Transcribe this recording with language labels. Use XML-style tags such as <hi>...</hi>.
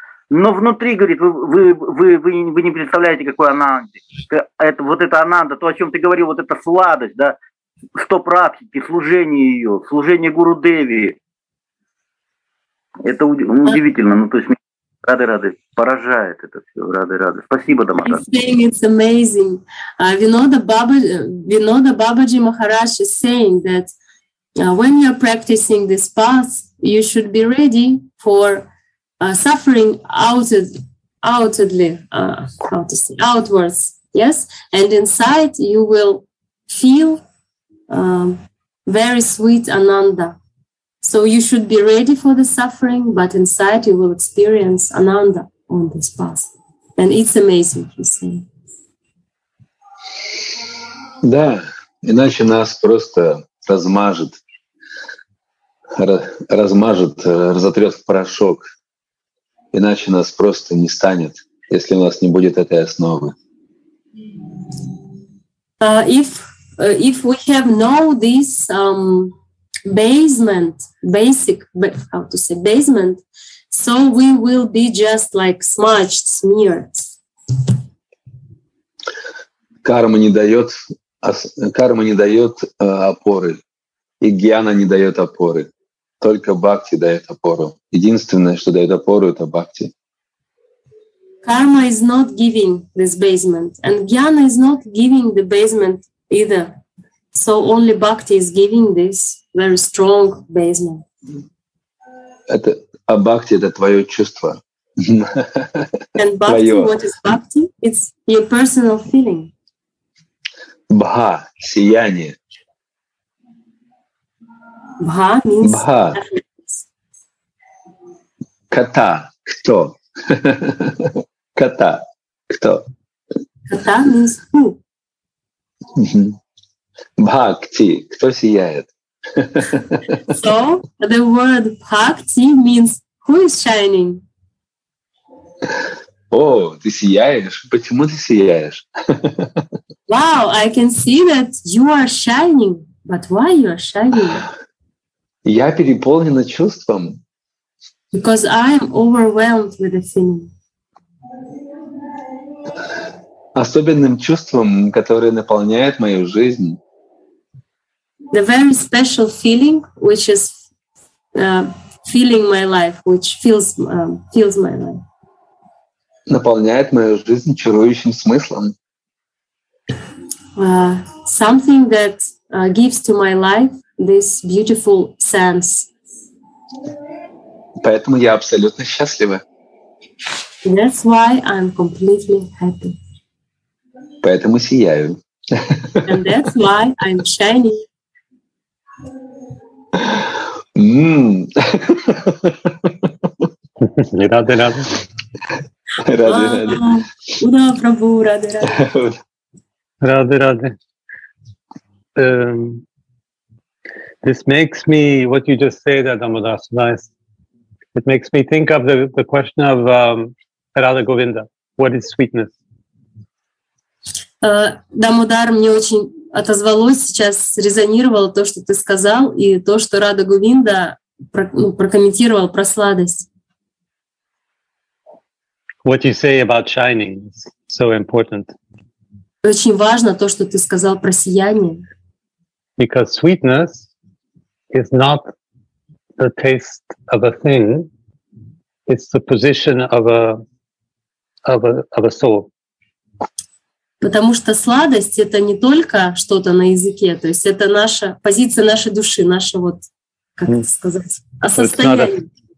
<ru>Но внутри, говорит, вы не представляете, какой ананда. Это, вот это ананда, то, о чем ты говорил, вот эта сладость, да. Стоп практики, служение ее, служение Гуру Деви. Это удивительно. Ну, то есть рады-рады, поражает это все. Рады-рады. Спасибо, Дамодар.</ru> <en>He's saying it's amazing. Vinoda Babaji Maharaj is saying that when you're practicing this path, you should be ready for suffering outwards. Yes? And inside you will feel very sweet ananda. So you should be ready for the suffering, but inside you will experience ananda on this path. And it's amazing, you see.</en> <ru>Да, иначе нас просто размажет, размажет, разотрёт в порошок. Иначе нас просто не станет, если у нас не будет этой основы.</ru> <en>If we have no this basement, so we will be just like smudged, smeared.</en> <ru>Карма не дает опоры, и гьяна не дает опоры. Только бхакти дает опору. Единственное, что дает опору, это бхакти.</ru> <en>Карма is not giving this basement, and гьяна is not giving the basement either. So only bhakti is giving this very strong basement.</en> <ru>Это, а бхакти — это твое чувство.</ru> <en>And bhakti,</en> <ru>твое.</ru> <en>What is bhakti? It's your personal feeling.</en> <ru>Бха, сияние.</ru> <en>Бха means</en> <ru>Бха. Кота, кто? Кота, кто?</ru> <en>Кота means who?</en> <ru>Бхакти, кто сияет?</ru> <en>So the word bhakti means who is shining?</en> <ru>О, ты сияешь? Почему ты сияешь?</ru> <en>Wow, I can see that you are shining, but why you are shining?</en> <ru>Я переполнена чувством.</ru> <en>Because I am overwhelmed with the feeling.</en> <ru>Особенным чувством, которое наполняет мою жизнь.</ru> <en>The very special feeling, which is filling my life, which fills my life.</en> <ru>Наполняет мою жизнь чарующим смыслом.</ru> <en>Something that gives to my life this beautiful sense.</en> <ru>Поэтому я абсолютно счастлива.</ru> <en>That's why I'm completely happy.</en> <ru>Поэтому сияю.</ru> <en>And that's why I'm shining.</en> <ru>Рады, рады. Рады, рады. Уда, Прабу, рады, рады. Рады, рады.</ru> <en>This makes me, what you just said, Adamadas, nice. It makes me think of the question of Radha Govinda. What is sweetness?</en> <ru>Дамодар, мне очень отозвалось сейчас, резонировало то, что ты сказал, и то, что Радха Говинда прокомментировал про сладость.</ru> <en>What you say about shining is so important.</en> <ru>Очень важно то, что ты сказал про сияние.</ru> <en>Because sweetness is not the taste of a thing, it's the position of a soul.</en> <ru>Потому что сладость — это не только что-то на языке, то есть это наша позиция нашей души, наше вот, как это сказать, состояние.</ru>